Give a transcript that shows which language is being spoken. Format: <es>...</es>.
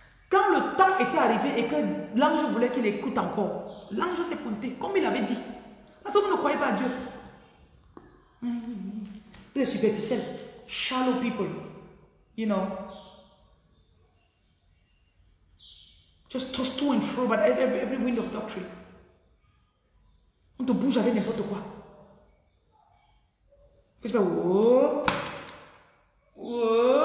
<fr>Quand le temps était arrivé et que l'ange voulait qu'il écoute encore, l'ange s'est pointé, comme il avait dit. Parce que vous ne croyez pas à Dieu. Vous êtes superficiel.</fr> <en>Shallow people, you know, just toss to and fro, but every wind of doctrine.</en> <fr>On te bouge avec n'importe quoi. Fais-tu pas, whoa, whoa.</fr>